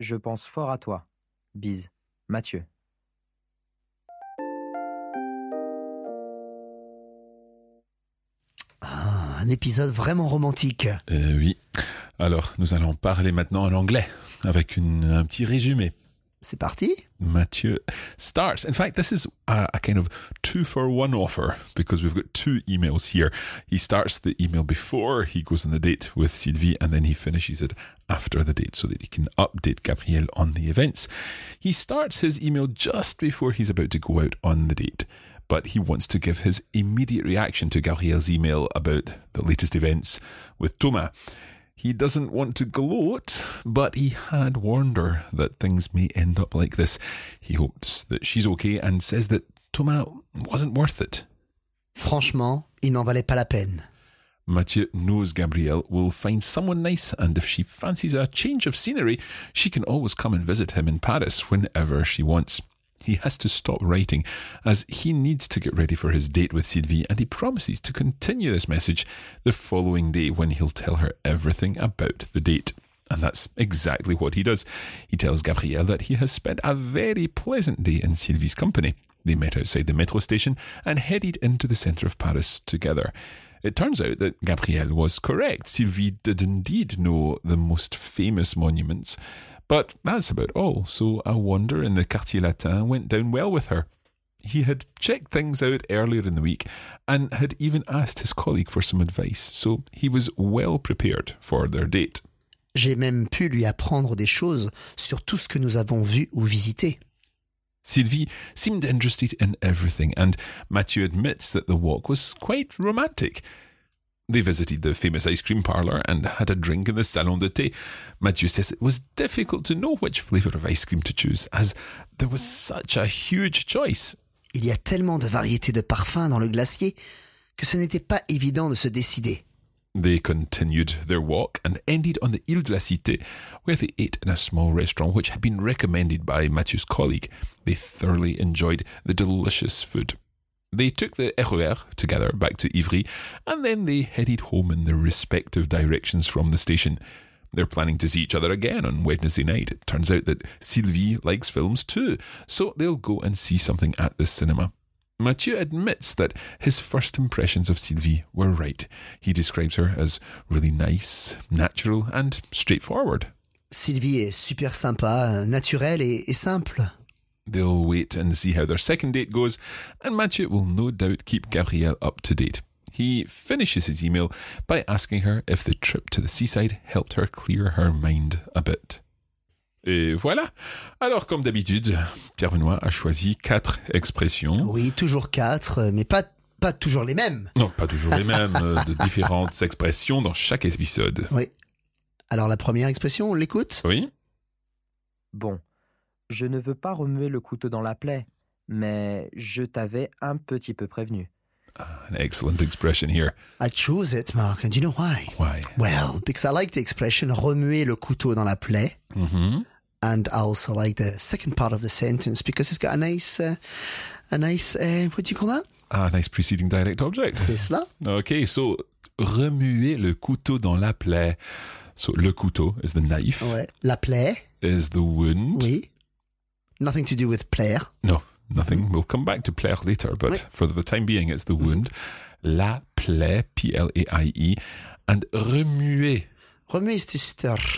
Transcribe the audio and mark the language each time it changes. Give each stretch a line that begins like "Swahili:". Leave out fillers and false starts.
French: Je pense fort à toi. Bise, Mathieu. Ah, un épisode vraiment romantique. Oui. Alors, nous allons parler maintenant en anglais, avec un petit résumé. C'est parti.
English: Mathieu starts. In fact, this is a kind of two-for-one offer, because we've got two emails here. He starts the email before he goes on the date with Sylvie, and then he finishes it after the date, so that he can update Gabriel on the events. He starts his email just before he's about to go out on the date, but he wants to give his immediate reaction to Gabriel's email about the latest events with Thomas. He doesn't want to gloat, but he had warned her that things may end up like this. He hopes that she's okay and says that Thomas wasn't worth it.
French: Franchement, il n'en valait pas la peine.
English: Mathieu knows Gabrielle will find someone nice, and if she fancies a change of scenery, she can always come and visit him in Paris whenever she wants. He has to stop writing, as he needs to get ready for his date with Sylvie, and he promises to continue this message the following day when he'll tell her everything about the date. And that's exactly what he does. He tells Gabrielle that he has spent a very pleasant day in Sylvie's company. They met outside the metro station and headed into the centre of Paris together. It turns out that Gabrielle was correct. Sylvie did indeed know the most famous monuments. But that's about all, so a wander in the Quartier Latin went down well with her. He had checked things out earlier in the week and had even asked his colleague for some advice, so he was well prepared for their date.
French: J'ai même pu lui apprendre des choses sur tout ce que nous avons vu ou visité.
English: Sylvie seemed interested in everything, and Mathieu admits that the walk was quite romantic. They visited the famous ice cream parlour and had a drink in the salon de thé. Mathieu says it was difficult to know which flavour of ice cream to choose, as there was such a huge choice.
French: Il y a tellement de variétés de parfums dans le glacier que ce n'était pas évident de se décider.
English: They continued their walk and ended on the Île de la Cité, where they ate in a small restaurant which had been recommended by Mathieu's colleague. They thoroughly enjoyed the delicious food. They took the RER together back to Ivry, and then they headed home in their respective directions from the station. They're planning to see each other again on Wednesday night. It turns out that Sylvie likes films too, so they'll go and see something at the cinema. Mathieu admits that his first impressions of Sylvie were right. He describes her as really nice, natural and straightforward. Sylvie est super sympa, naturelle et simple. They'll wait and see how their second date goes, and Mathieu will no doubt keep Gabrielle up to date. He finishes his email by asking her if the trip to the seaside helped her clear her mind a bit.
French: Et voilà. Alors, comme d'habitude, Pierre Benoît a choisi quatre expressions. Oui, toujours quatre, mais pas toujours les mêmes. Non, pas toujours les mêmes, de différentes expressions dans chaque épisode. Oui. Alors, la première expression, on l'écoute ? Oui. Bon. Je ne veux pas remuer le couteau dans la plaie, mais je t'avais un petit peu prévenu.
English: An excellent expression here. I choose it, Mark, and do you know why? Why? Well, because I like the expression
French: remuer le couteau dans la plaie.
English: Mm-hmm. And I also like the second part of the sentence because it's got a nice, what do you call that? A nice preceding direct object.
French: C'est cela.
English: Okay, so
French: remuer le couteau dans la plaie.
English: So le couteau is the knife.
French: Ouais. La plaie.
English: Is the wound.
French: Oui.
English: Nothing to do with plaire. No, nothing. Mm-hmm. We'll come back to plaire later, but oui. For the time being, it's the wound.
French: Mm-hmm. La plaie, P-L-A-I-E, and remuer.
English: Remuer is to stir.